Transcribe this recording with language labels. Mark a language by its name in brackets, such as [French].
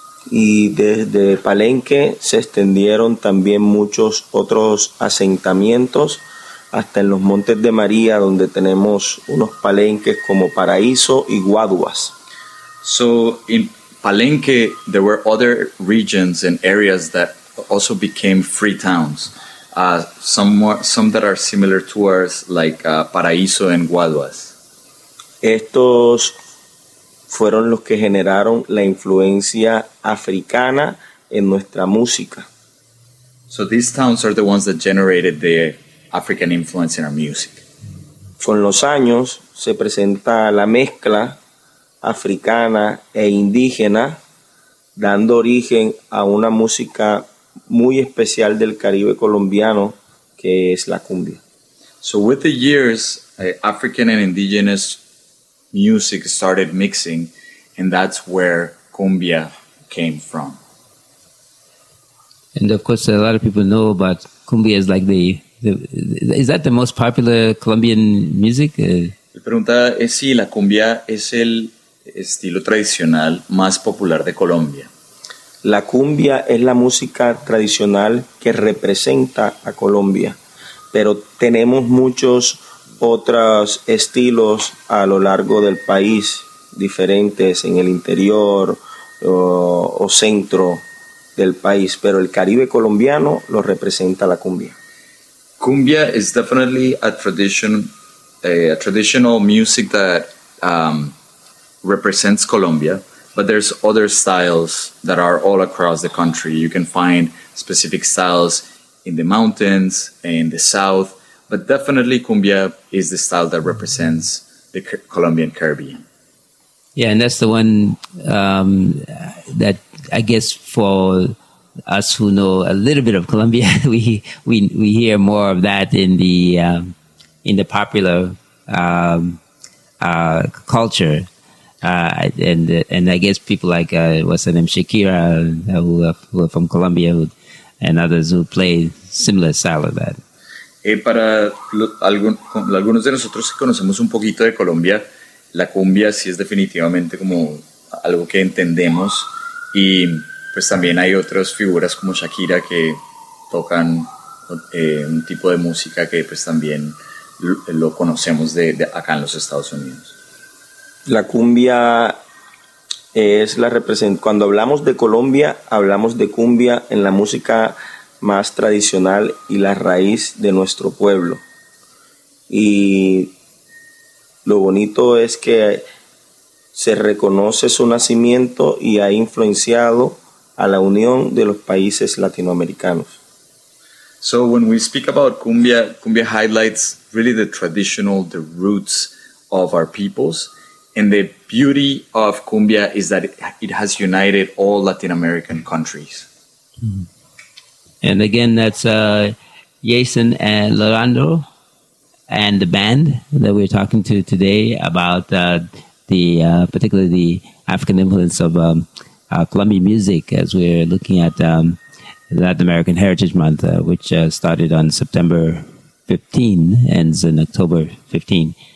[Spanish] Y desde Palenque se extendieron también muchos otros asentamientos, hasta en los Montes de María, donde tenemos unos palenques como Paraíso y Guaduas. [English] So in Palenque, there were other regions and areas that also became free towns, some that are similar to ours, like Paraíso and Guaduas. [Spanish] Estos fueron los que generaron la influencia africana en nuestra música. [English] So these towns are the ones that generated the African influence in our music. [Spanish] Con los años, se presenta la mezcla africana e indígena, dando origen a una música muy especial del Caribe colombiano, que es la cumbia. [English] So with the years, African and indigenous music started mixing, and that's where cumbia came from. And of course, a lot of people know about cumbia is like is that the most popular Colombian music? [Spanish] La pregunta es si la cumbia es el estilo tradicional más popular de Colombia. La cumbia es la música tradicional que representa a Colombia, pero tenemos muchos otros estilos a lo largo del país, diferentes en el interior o centro del país, pero el Caribe colombiano lo representa la cumbia. [English] Cumbia is definitely a traditional music that represents Colombia, but there's other styles that are all across the country. You can find specific styles in the mountains, in the south, but definitely cumbia is the style that represents the Colombian Caribbean. Yeah, and that's the one that I guess for us who know a little bit of Colombia, we hear more of that in the popular culture, and I guess people like what's her name, Shakira, who are from Colombia, and others who play similar style of that. [Spanish] Para algunos de nosotros que conocemos un poquito de Colombia, la cumbia sí es definitivamente como algo que entendemos, y pues también hay otras figuras como Shakira que tocan un tipo de música que pues también lo conocemos de acá en los Estados Unidos. La cumbia es la representación. Cuando hablamos de Colombia, hablamos de cumbia en la música más tradicional y la raíz de nuestro pueblo. Y lo bonito es que se reconoce su nacimiento y ha influenciado a la unión de los países latinoamericanos. [English] So when we speak about cumbia, cumbia highlights really the traditional, the roots of our peoples. And the beauty of cumbia is that it has united all Latin American countries. And again, that's Jason and Lorando and the band that we're talking to today about particularly the African influence of Colombian music, as we're looking at Latin American Heritage Month, which started on September 15, ends in October 15.